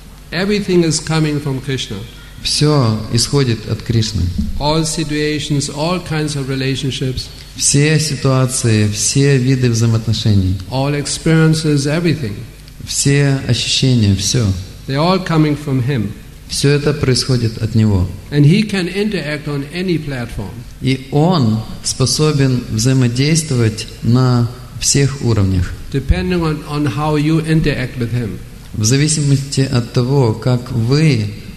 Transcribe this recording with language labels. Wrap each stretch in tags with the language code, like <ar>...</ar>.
<en>Everything is coming from Krishna.</en> <ru>Все исходит от Кришны.</ru> <en>All situations, all kinds of relationships.</en> <ru>Все ситуации, все виды взаимоотношений.</ru> <en>All experiences, everything.</en> <ru>Все ощущения, все.</ru> <en>They're all coming from Him.</en> <ru>Все это происходит от Него.</ru> <en>And he can interact on any platform.</en> <ru>И Он способен взаимодействовать на всех уровнях.</ru> <en>Depending on how you interact with him.</en> <ru>В зависимости от того, как вы</ru>